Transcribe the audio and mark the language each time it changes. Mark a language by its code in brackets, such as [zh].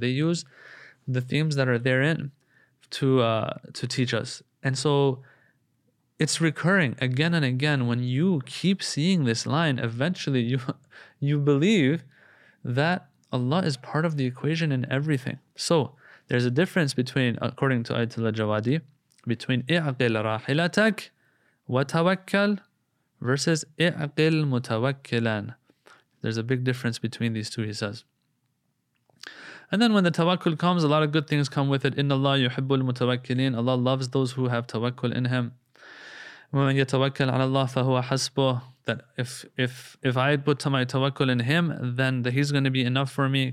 [en] They use the themes that are therein to teach us. And so it's recurring again and again. When you keep seeing this line, eventually you believe that Allah is part of the equation in everything. So there's a difference between, according to Ayatollah Jawadi, between [ar] اعقل راحلتك وتوكل [en] versus [ar] اعقل متوكلا. [en] There's a big difference between these two, he says. And then when the tawakkul comes, a lot of good things come with it. [ar] إِنَّ اللَّهَ يُحِبُّ الْمُتَوَكِّلِينَ. [en] Allah loves those who have tawakkul in him. [ar] وَمَنْ يَتَوَكَّلْ عَلَى اللَّهِ فَهُوَ حَسْبُهُ. [en] That if I put my tawakkul in him, then he's going to be enough for me.